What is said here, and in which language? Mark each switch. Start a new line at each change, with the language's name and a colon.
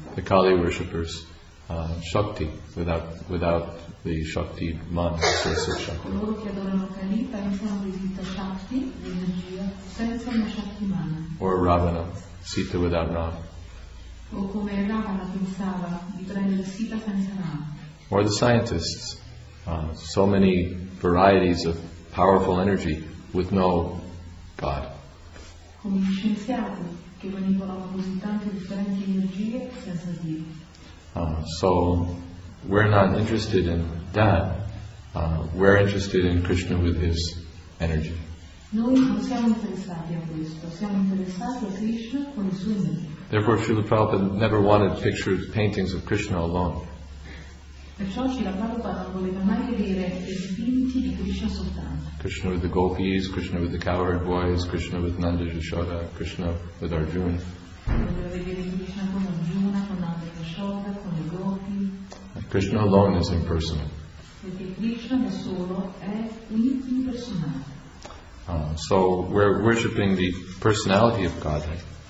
English: The Kali worshippers. Shakti, without the Shakti man, the source of Shakti.
Italian: Coloro che adorano Kali pensano di Sita Shakti, l'energia, senza una Shakti mana.
English: Or Ravana, Sita without Rama.
Italian: O come Ravana pensava di prendere Sita senza Rama.
English: Or the scientists, so many varieties of powerful energy, with no God.
Italian: Come gli scienziati che manipolano così tante differenti energie senza Dio.
English: So we're not interested in that. We're interested in Krishna with his energy.
Italian: Noi non siamo interessati a questo, siamo interessati a Krishna con le sue energie.
English: Therefore, Srila Prabhupada never wanted pictures, paintings of Krishna alone.
Italian: Perciò Srila Prabhupada non voleva mai vedere dipinti di Krishna soltanto.
English: Krishna with the gopis, Krishna with the cowherd boys, Krishna with Nanda Yashoda, Krishna with Arjuna.
Italian: Non voleva vedere Krishna con Arjuna, con Nanda Yashoda, con i gopi.
English: Krishna alone is impersonal.
Italian: Perché Krishna da solo è impersonale.
English: So we're worshipping the personality of Godhead.